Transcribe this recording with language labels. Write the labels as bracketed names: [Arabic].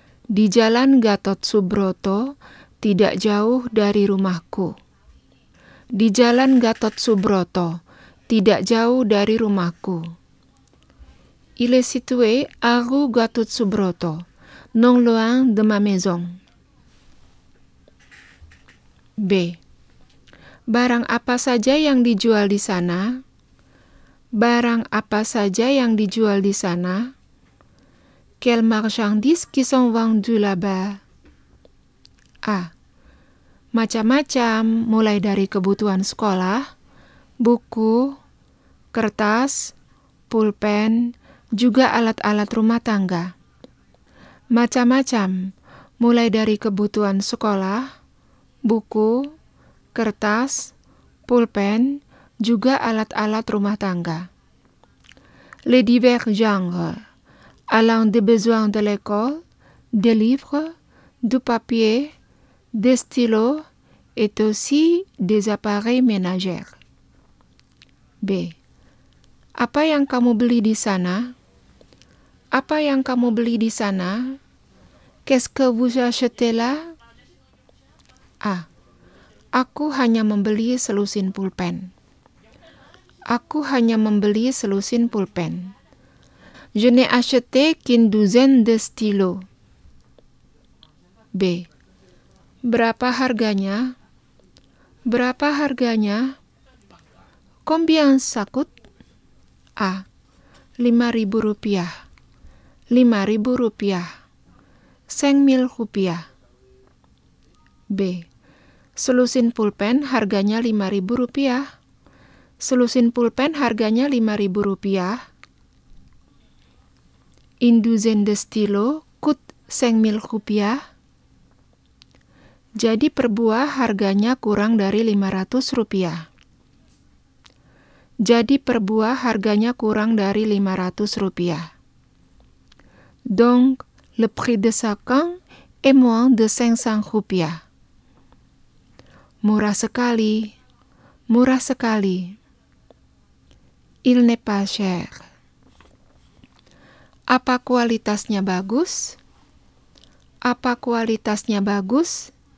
[Indonesian] Di Jalan Gatot Subroto, tidak jauh dari rumahku. Di Jalan Gatot Subroto, tidak jauh dari rumahku. [French] Il est situé à rue Gatot Subroto, non loin de ma maison. [Indonesian] B. Barang apa saja yang dijual di sana? Barang apa saja yang dijual di sana? [French] Quelles marchandises qui sont vendues là-bas? [Indonesian] A. Macam-macam, mulai dari kebutuhan sekolah, buku, kertas, pulpen, juga alat-alat rumah tangga. Macam-macam, mulai dari kebutuhan sekolah, buku, kertas, pulpen, juga alat-alat rumah tangga. [French] Les divers genres, allant des besoins de l'école, des livres, du papier, des stylos, et aussi des appareils ménagers. B. [Indonesian] Apa yang kamu beli di sana? Apa yang kamu beli di sana? [French] Qu'est-ce que vous achetez là? A. [Indonesian] Aku hanya membeli selusin pulpen. Aku hanya membeli selusin pulpen. [French] Je n'ai acheté qu'une douzaine de stylos. [Indonesian] B. Berapa harganya? Berapa harganya? [French] Combien ça coûte? A. 5.000 rupiah. [Indonesian] 5.000 rupiah. 5.000 rupiah. B. Selusin pulpen harganya 5.000 rupiah. Selusin pulpen harganya 5.000 rupiah. [French] Une douzaine de stylo coûte 5.000 rupiah. [Indonesian] Jadi per buah harganya kurang dari 500 rupiah. Jadi per buah harganya kurang dari 500 rupiah. [French] Donc, le prix de sa cang est moins de 500 rupiah. [Indonesian] Murah sekali. Murah sekali. [French] Il n'est pas cher. [Indonesian] Apa kualitasnya bagus? Apa kualitasnya bagus?